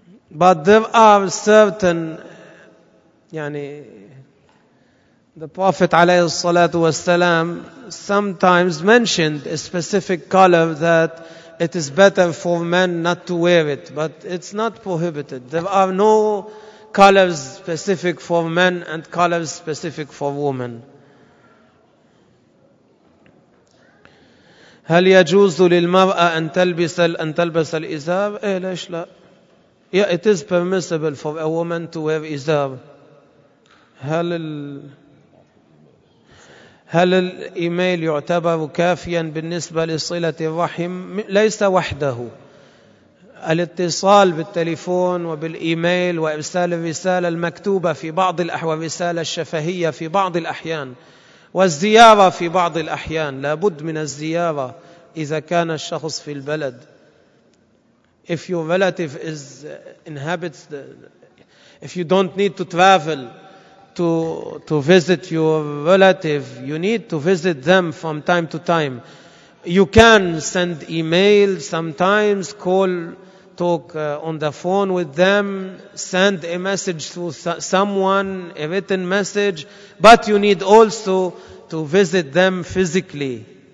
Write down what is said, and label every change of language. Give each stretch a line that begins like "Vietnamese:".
English: But there are certain, the Prophet alayhi salatu wasalam sometimes mentioned a specific color that it is better for men not to wear it, but it's not prohibited. There are no colors specific for men and colors specific for women.
Arabic: هل يجوز للمرأة أن تلبس الإزار؟ إيه ليش لا؟
English: Yeah, it is permissible for a woman to wear إزار.
Arabic: هل الإيميل يعتبر كافيا بالنسبة لصلة الرحم؟ ليس وحده. الاتصال بالتليفون وبالإيميل وإرسال الرسالة المكتوبة في بعض الأحوال، الرسالة الشفهية في بعض الأحيان، والزيارة في بعض الأحيان، لابد من الزيارة إذا كان الشخص في البلد.
English: If your relative is inhabits the, if you don't need to travel to visit your relative, you need to visit them from time to time. You can send email sometimes, call, talk on the phone with them, send a message to someone, a written message, but you need also to visit them physically.